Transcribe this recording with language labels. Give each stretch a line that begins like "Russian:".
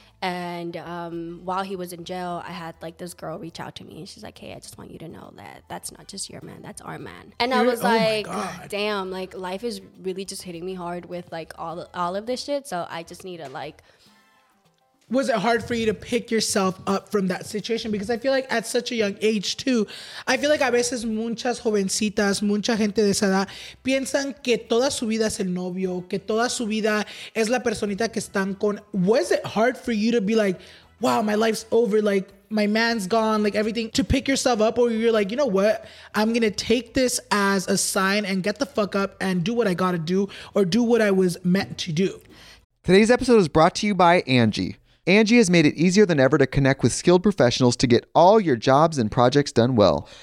English: And while he was in jail, I had like this girl reach out to me, and she's like, hey, I just want you to know that that's not just your man, that's our man. And you're, I was oh like, damn, like, life is really just hitting me hard with like all of this shit. So I just need to like was it hard for you to pick yourself up from that situation? Because I feel like
Spanish: at such a young age too, I feel like a veces muchas jovencitas, mucha gente de esa edad, piensan que toda su vida es el novio, que toda su vida es la personita que están con.
English: Was it hard for you to be like, wow, my life's over, like, my man's gone, like, everything, to pick yourself up? Or you're like, you know what, I'm going to take this as a sign and get the fuck up and do what I got to do, or do what I was meant to do. Today's episode is brought to you by Angie. Angie has made it easier than ever to connect with skilled professionals to get all your jobs and projects done well.